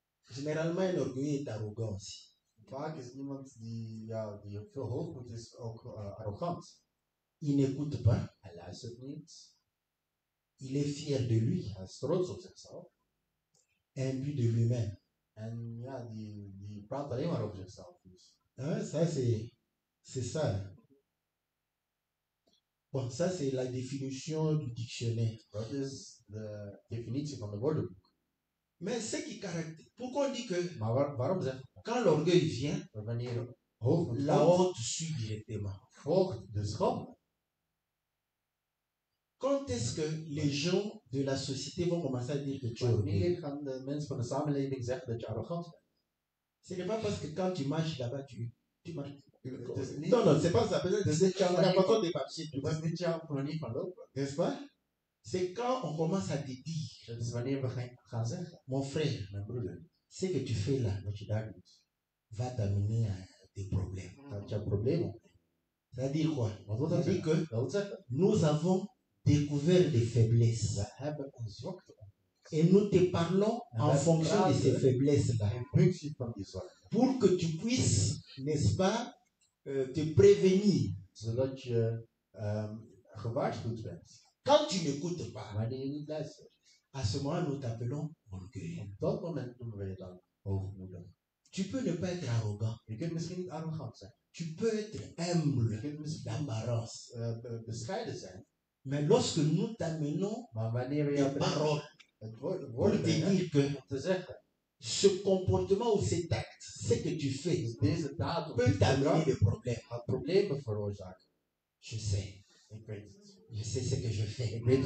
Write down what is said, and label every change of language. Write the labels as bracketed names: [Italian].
[French] généralement, l'orgueil est arrogant. [Dutch] Vaak is iemand die veel hoogmoed is, ook arrogant. [French] Il n'écoute pas. [Dutch] Hij luistert niet. [French] Il est fier de lui. [Dutch] Hij is trots op zichzelf. [French] En imbu de lui-même. [Dutch] En ja, die praat alleen maar over zichzelf. Dus. [French] Ah, ça, c'est ça. Bon, ça, c'est la définition du dictionnaire. [Dutch] Dat is de definitie van de woordenboek. [French] Mais ce qui caractérise. Pourquoi on dit que. [Dutch] Maar waarom zeg ik? [French] Quand l'orgueil vient, [Dutch] wanneer [French] la honte suit directement. [Dutch] Volgt de schande. [French] Quand est-ce que les gens de la société vont commencer à dire que tu es orgueilleux? [Dutch] Wanneer gaan de mensen van de samenleving zeggen dat je arrogant bent? [French] Ce n'est pas parce que quand tu marches là-bas, tu marches. Non, non, c'est pas ça. N'est-ce pas? C'est quand on commence à te dire. [Dutch] Dus wanneer we gaan zeggen. [French] Mon frère, [Dutch] mijn broeder, [French] ce que tu fais là, [Dutch] wat je daar doet, [French] va t'amener à des problèmes. [Dutch] Dat je een probleem hebt. [French] C'est-à-dire quoi? [Dutch] Wat wil dat [French] dire que [Dutch] dat wil zeggen? [French] Nous avons découvert des faiblesses. [Dutch] We hebben een zwakte. [French] Et nous te parlons en fonction de ces faiblesses-là. [Dutch] En principe van die zwakte. [French] Pour que tu puisses, n'est-ce pas, te prévenir. [Dutch] Zodat je gewaarschuwd bent. [French] Quand tu n'écoutes pas, [Dutch] wanneer je niet luistert, [French] à ce moment nous t'appelons orgueil. [Dutch] Op dat moment noemen wij je dan hoogmoedig. [French] Tu peux ne pas être arrogant. [Dutch] Je kunt misschien niet arrogant zijn. [French] Tu peux être humble. [Dutch] Je kunt misschien bescheiden zijn. [French] Mais lorsque nous t'amenons [Dutch] maar wanneer we je [French] parole, [Dutch] het woord [French] te dire que [Dutch] te zeggen, [French] ce comportement ou cet acte, ce que tu fais peut t'amener des problèmes. Un problème pour Jacques. Je sais. Je sais ce que je fais.